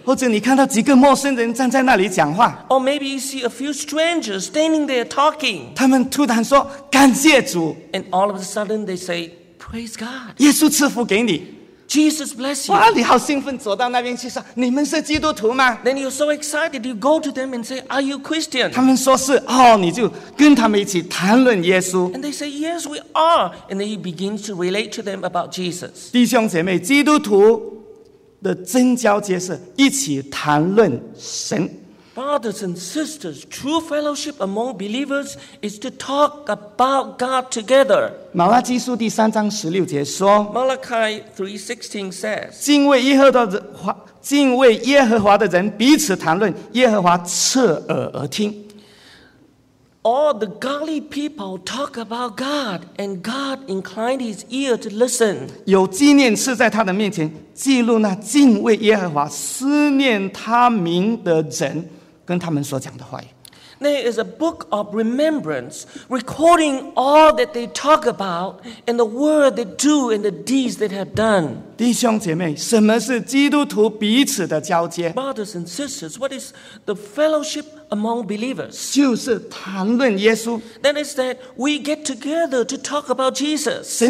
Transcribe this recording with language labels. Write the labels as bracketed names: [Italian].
[Chinese] 或者你看到几个陌生人站在那里讲话。 [English] Or maybe you see a few strangers standing there talking. [Chinese] 他们突然说感谢主。 [English] And all of a sudden they say, praise God. [Chinese] 耶稣赐福给你。 [English] Jesus bless you. [Chinese] 哇，你好兴奋，走到那边去说，你们是基督徒吗？ [English] Then you're so excited, you go to them and say, are you Christian? [Chinese] 他们说是，哦，你就跟他们一起谈论耶稣。 [English] And they say, yes, we are. And then you begin to relate to them about Jesus. [Chinese] 弟兄姐妹，基督徒的真交接是一起谈论神。 [English] Brothers and sisters, true fellowship among believers is to talk about God together. [Chinese] 马拉基书第3章16节说, [English] Malachi 3:16 says, [Chinese] 敬畏耶和华的人, 彼此谈论, 耶和华侧耳而听。 [English] All the godly people talk about God, and God inclined his ear to listen. [Chinese] 有纪念册在他的面前, 记录那敬畏耶和华思念他名的人。 [English] There is a book of remembrance recording all that they talk about and the word they do and the deeds they have done. [Chinese] 弟兄姐妹，什么是基督徒彼此的交接？ [English] Brothers and sisters, what is the fellowship among believers? [Chinese] 就是谈论耶稣。 [English] That is that we get together to talk about Jesus.